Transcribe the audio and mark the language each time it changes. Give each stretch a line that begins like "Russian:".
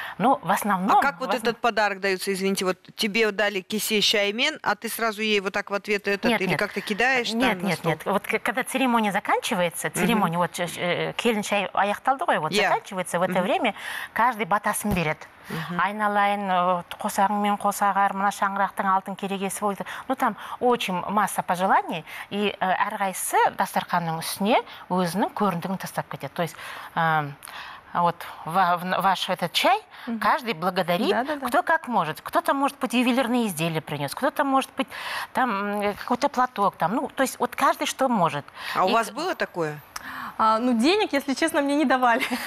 Russian: Но в основном... А как вот этот подарок дается? Извините, вот тебе дали
Kazakh: кисе чаймен,
Russian: а ты сразу ей вот так в ответ этот... Нет, или нет. Как-то кидаешь? Нет, там, нет, нет. Вот когда церемония заканчивается, церемония, вот
Kazakh: кельн чай аяхталдой,
Russian: вот заканчивается, в это время каждый батасын берет.
Kazakh: Айналайын, қосағыңмен қосағар, мына шаңырақтың алтын керегесі болды.
Russian: Ну, там очень масса пожеланий.
Kazakh: И әрғайсы дастарханның үстіне өзінің көріндігін тастап кетеді.
Russian: То есть вот ваш этот чай каждый благодарит, кто как может. Кто-то, может быть, ювелирные изделия принес, кто-то, может быть, там какой-то платок. Там. Ну, то есть вот каждый что может. А у вас было такое? Ну, денег, если честно, мне не давали.